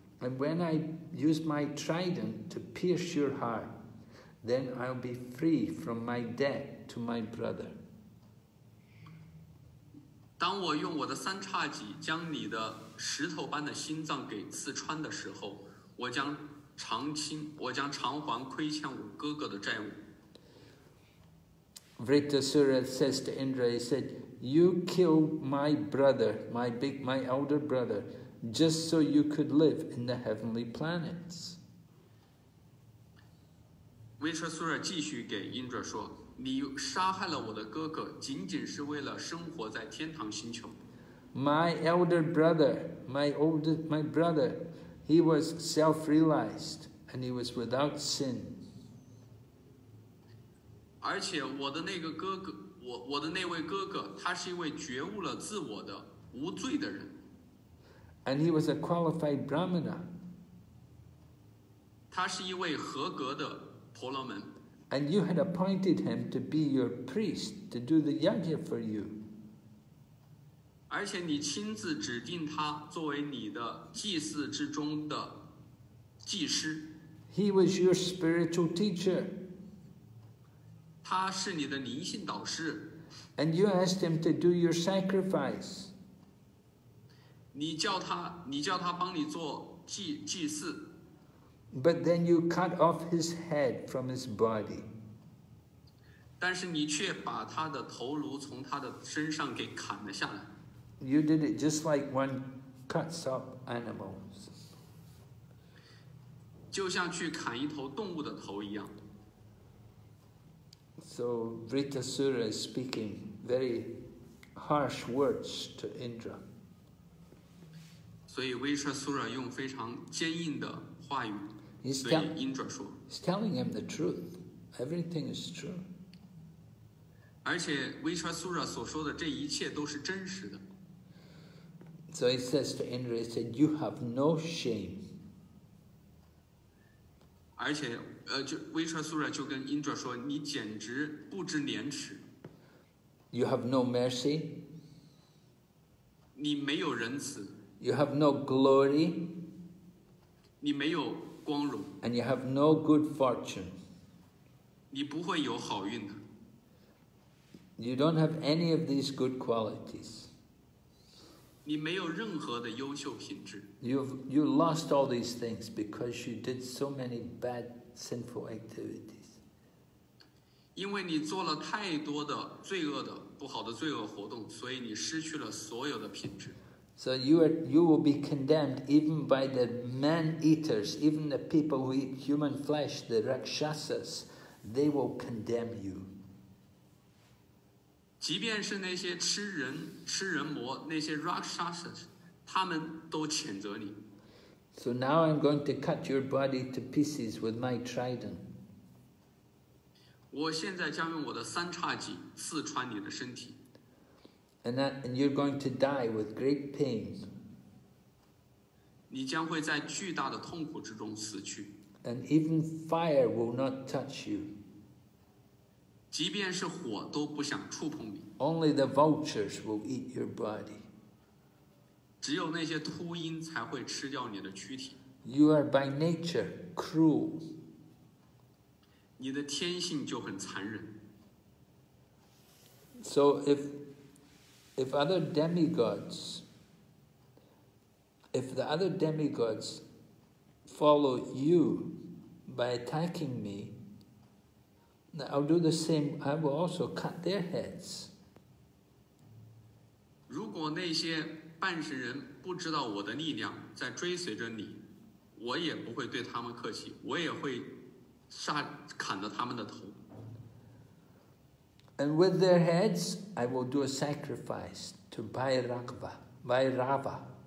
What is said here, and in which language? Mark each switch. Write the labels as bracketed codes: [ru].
[en] And when I use my trident to pierce your heart, then I'll be free from my debt to my brother. [zh] 当我用我的三叉戟将你的石头般的心脏给刺穿的时候，我将偿还亏欠我哥哥的债务。 [en] Vritasura says to Indra, he said, "You killed my brother, my elder brother, just so you could live in the heavenly planets." [zh] Vritasura 继续给 Indra 说，你杀害了我的哥哥，仅仅是为了生活在天堂星球。 [en] My elder brother, my brother, he was self-realized and he was without sin. [zh] 而且我的那个哥哥，我的那位哥哥，他是一位觉悟了自我的无罪的人。 [en] And he was a qualified Brahmana. [zh] 他是一位合格的婆罗门。 [en] And you had appointed him to be your priest to do the yajna for you. [zh] 而且你亲自指定他作为你的祭祀之中的祭师。 [en] He was your spiritual teacher. [zh] 他是你的灵性导师。 [en] And you asked him to do your sacrifice. [zh] 你叫他帮你做祭祀。 [en] But then you cut off his head from his body. [zh] 但是你却把他的头颅从他的身上给砍了下来。 [en] You did it just like one cuts up animals. [zh] 就像去砍一头动物的头一样。 [en] So Vritasura is speaking very harsh words to Indra. [zh] 所以威舍苏拉用非常坚硬的话语对英卓说。 [en] He's telling him the truth. Everything is true. [zh] 而且威舍苏拉所说的这一切都是真实的。 [en] So he says to Indra, he said, "You have no shame." [zh] 而且，就威舍苏拉就跟英卓说，你简直不知廉耻。 [en] You have no mercy. [zh] 你没有仁慈。 [en] You have no glory. [zh] 你没有光荣。 [en] And you have no good fortune. [zh] 你不会有好运的。 [en] You don't have any of these good qualities. [zh] 你没有任何的优秀品质。 [en] You lost all these things because you did so many bad sinful activities. [zh] 因为你做了太多的罪恶的不好的罪恶活动，所以你失去了所有的品质。 [en] So you will be condemned even by the man-eaters, even the people who eat human flesh, the Rakshasas, they will condemn you. [zh] 即便是那些吃人魔那些 Rakshasas, 他们都谴责你。 [en] So now I'm going to cut your body to pieces with my trident. [zh] 我现在将用我的三叉戟刺穿你的身体。 [en] And you're going to die with great pain. [zh] 你将会在巨大的痛苦之中死去。 [en] And even fire will not touch you. [zh] 即便是火都不想触碰你。 [en] Only the vultures will eat your body. [zh] 只有那些秃鹰才会吃掉你的躯体。 [en] You are by nature cruel. [zh] 你的天性就很残忍。 [en] So if other demigods, if the other demigods follow you by attacking me, I'll do the same. I will also cut their heads. [zh] 如果那些半神人不知道我的力量在追随着你，我也不会对他们客气，我也会杀砍了他们的头。 [en] And with their heads, I will do a sacrifice to Bhairava.